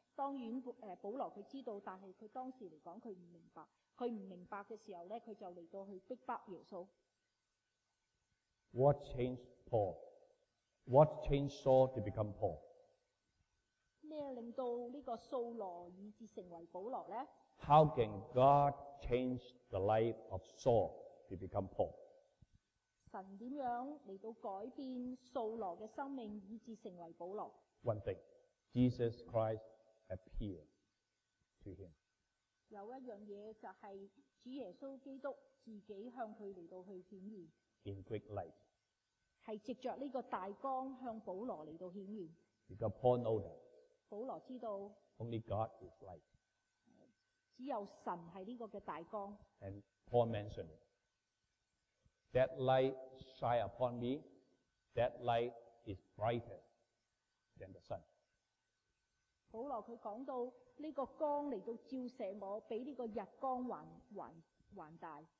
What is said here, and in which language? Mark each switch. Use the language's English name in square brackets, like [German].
[Chinese] 当然保罗他知道，但是他当时来讲他不明白。他不明白的时候呢，他就来到去逼迫耶稣。 [English] What changed Paul? What changed Saul to become Paul? [Chinese] 什么令到这个扫罗以致成为保罗呢？ [English] How can God change the life of Saul to become Paul? [Chinese] 神怎样来到改变扫罗的生命以致成为保罗？ [English] One thing, Jesus Christ appeared to him. [Chinese] 有一样东西，就是主耶稣基督自己向他来到去显现。 [English] In great light. [Chinese] 是藉着这个大光向保罗来到显现。 [English] Because Paul knows that. [Chinese] 保罗知道。 [English] Only God is light. [Chinese] 只有神是这个的大光。 [English] And Paul mentioned it. That light shine upon me, that light is brighter than the sun. [Chinese] 保罗他讲到，这个光来到照射我，比这个日光还大。